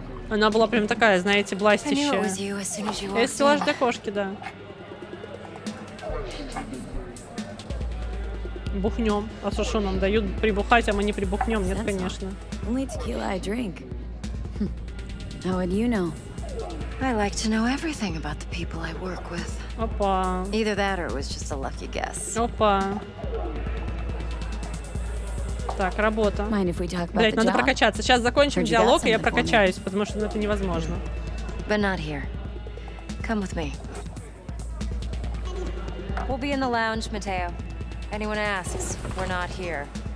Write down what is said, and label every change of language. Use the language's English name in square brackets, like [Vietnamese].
[Russian] Она была прям такая, знаете, бластящая. Я стеллаж для кошки, да. Бухнем. А то, что нам дают прибухать, а мы не прибухнем, нет, конечно. [English] Only tequila I drink. How would you know? I like to know everything about the people I work with. Опа. Either that or it was just a lucky guess. Опа. [Russian] Так, работа. Блять, надо прокачаться. Сейчас закончим диалог, и я прокачаюсь, потому что это невозможно. [English] But not here. Come with me. We'll be in the lounge, Mateo. Anyone asks, we're not here.